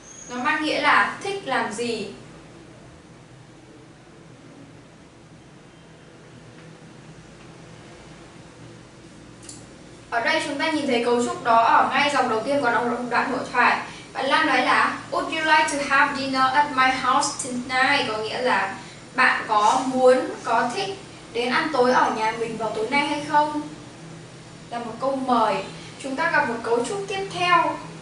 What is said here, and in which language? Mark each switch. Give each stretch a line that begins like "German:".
Vietnamese: Nó mang nghĩa là thích làm gì. Ở đây chúng ta nhìn thấy cấu trúc đó ở ngay dòng đầu tiên của đoạn hội thoại. Bạn Lan nói là
English: Would you like to have dinner at my house tonight?
Vietnamese: Có nghĩa là bạn có muốn, có thích đến ăn tối ở nhà mình vào tối nay hay không? Là một câu mời. Chúng ta gặp một cấu trúc tiếp theo.